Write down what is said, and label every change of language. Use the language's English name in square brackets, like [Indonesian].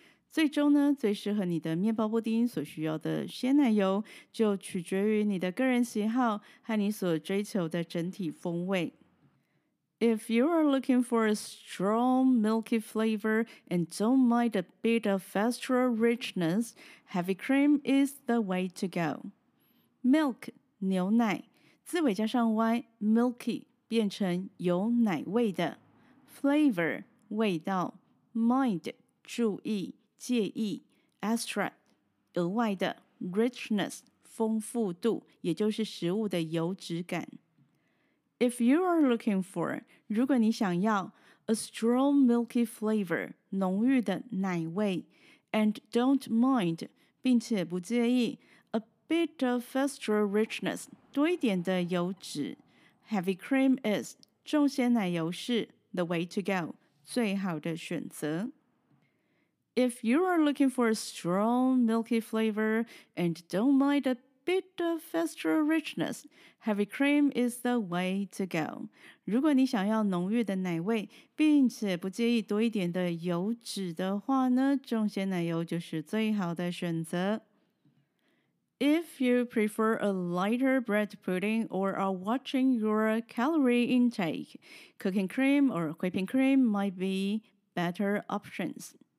[Chinese] 最终呢，最适合你的面包布丁所需要的鲜奶油就取决于你的个人喜好和你所追求的整体风味。 [English] If you are looking for a strong milky flavor and don't mind a bit of extra richness, heavy cream is the way to go. [Chinese] Milk, 牛奶,字尾加上 y, milky, 变成有奶味的。 Flavor, 味道。Mind, 注意,介意。 Extra, 额外的。Richness, 丰富度,也就是食物的油脂感。 [English] If you are looking for, 如果你想要 a strong milky flavor, 浓郁的奶味 and don't mind, 并且不介意 a bit of extra richness, 多一点的油脂 heavy cream is, 重鲜奶油是 the way to go, 最好的选择。 If you are looking for a strong milky flavor and don't mind a bit of extra richness, heavy cream is the way to go. [Chinese] 如果你想要浓郁的奶味，并且不介意多一点的油脂的话呢，重鲜奶油就是最好的选择。 [English] If you prefer a lighter bread pudding or are watching your calorie intake, cooking cream or whipping cream might be better options.